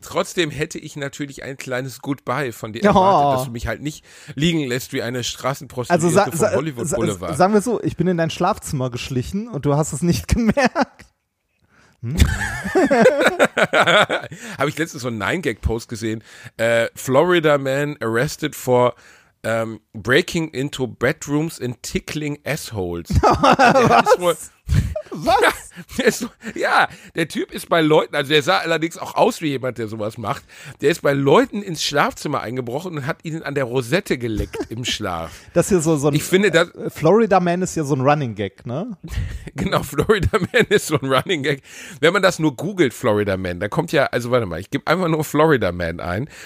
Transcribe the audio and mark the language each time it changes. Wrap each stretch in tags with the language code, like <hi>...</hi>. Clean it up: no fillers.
<de>Trotzdem hätte ich natürlich ein kleines Goodbye von dir erwartet, dass du mich halt nicht liegen lässt wie eine Straßenprostituierte von Hollywood Boulevard. Sagen wir so, ich bin in dein Schlafzimmer geschlichen und du hast es nicht gemerkt. Habe ich letztens so einen 9-Gag-Post gesehen.</de> <en>Florida man arrested for breaking into bedrooms and tickling assholes.</en> <de>Was? Ja, der Typ ist bei Leuten, also der sah allerdings auch aus wie jemand, der sowas macht. Der ist bei Leuten ins Schlafzimmer eingebrochen und hat ihnen an der Rosette geleckt im Schlaf. Das ist ja so ein. Ich finde, das, Florida Man ist ja so ein Running Gag, ne? Genau, Florida Man ist so ein Running Gag. Wenn man das nur googelt, Florida Man, da kommt ja, also warte mal, ich gebe einfach nur Florida Man ein.</de>